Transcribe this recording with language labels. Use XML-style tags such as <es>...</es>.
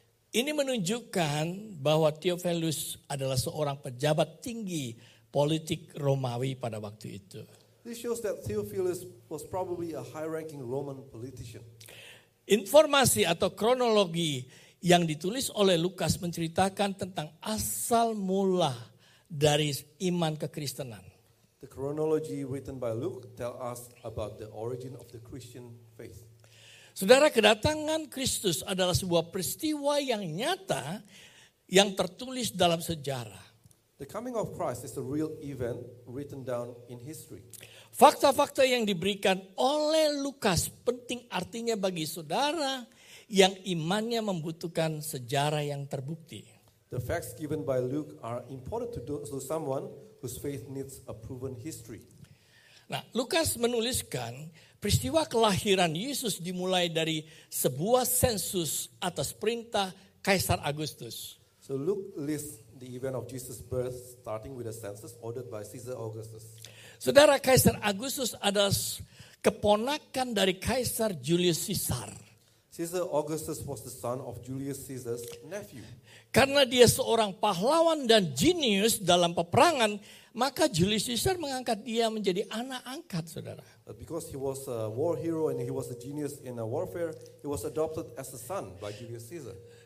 <id>Ini menunjukkan bahwa Theophilus adalah seorang pejabat tinggi politik Romawi pada waktu itu.</id> <en>This shows that Theophilus was probably a high-ranking Roman politician.</en> <id>Informasi atau kronologi yang ditulis oleh Lukas menceritakan tentang asal mula dari iman kekristenan.</id> <en>The chronology written by Luke tells us about the origin of the Christian faith.</en> <id>Saudara, kedatangan Kristus adalah sebuah peristiwa yang nyata yang tertulis dalam sejarah.</id> <en>The coming of Christ is a real event written down in history.</en> <id>Fakta-fakta yang diberikan oleh Lukas penting artinya bagi saudara yang imannya membutuhkan sejarah yang terbukti.</id> <en>The facts given by Luke are important to someone whose faith needs a proven history.</en> <id>Nah, Lukas menuliskan peristiwa kelahiran Yesus dimulai dari sebuah sensus atas perintah Kaisar Augustus.</id> <en>So Luke lists the event of Jesus' birth starting with a census ordered by Caesar Augustus.</en> <id>Saudara, Kaisar Augustus adalah keponakan dari Kaisar Julius Caesar.</id> <en>Caesar Augustus was the son of Julius Caesar's nephew.</en> <id>Karena dia seorang pahlawan dan genius dalam peperangan, maka Julius Caesar mengangkat dia menjadi anak angkat, saudara.</id> <en>But because he was a war hero and he was a genius in a warfare, he was adopted as a son by Julius Caesar.</en>